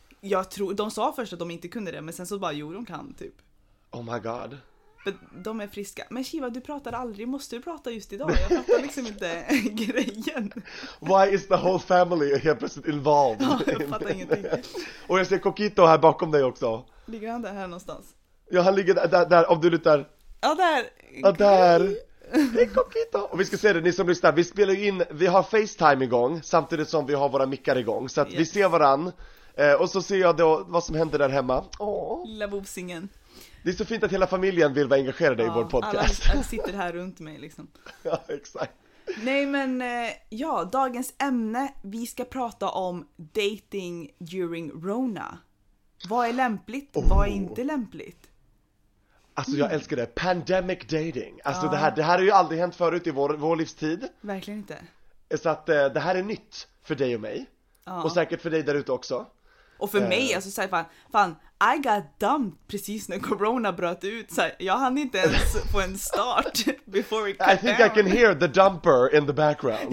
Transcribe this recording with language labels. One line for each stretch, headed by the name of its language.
Swedish: Jag tror, de sa först att de inte kunde det, men sen så bara, jo, de kan typ.
English: Oh my god.
Swedish: But de är friska. Men Shiva, du pratar aldrig. Måste du prata just idag? Jag fattar liksom inte grejen.
English: Why is the whole family here present involved?
Swedish: Ja, jag fattar ingenting. Och jag ser Coquito här bakom dig också. Ligger han där här någonstans? Ja, han ligger där om du lutar. Ja, där. Ja, där. Det är Coquito. Och vi ska se det, ni som lyssnar. Vi spelar in, vi har FaceTime igång samtidigt som vi har våra mickar igång. Så att vi ser varann. Och så ser jag då vad som händer där hemma. Åh. Lilla bovsingen. Det är så fint att hela familjen vill vara engagerade i vår podcast. Alla sitter här runt mig liksom. Ja, exakt. Nej, men ja, dagens ämne. Vi ska prata om dating during Rona. Vad är lämpligt? Oh. Vad är inte lämpligt? Alltså, jag älskar det. Pandemic dating. Alltså, det här har ju aldrig hänt förut i vår livstid. Verkligen inte. Så att det här är nytt för dig och mig. Ja. Och säkert för dig där ute också. Och för mig, alltså såhär fan, I got dumped precis när corona bröt ut. Så här, jag hann inte ens få en start before we cut
English: down. I think I can hear the dumper in the background.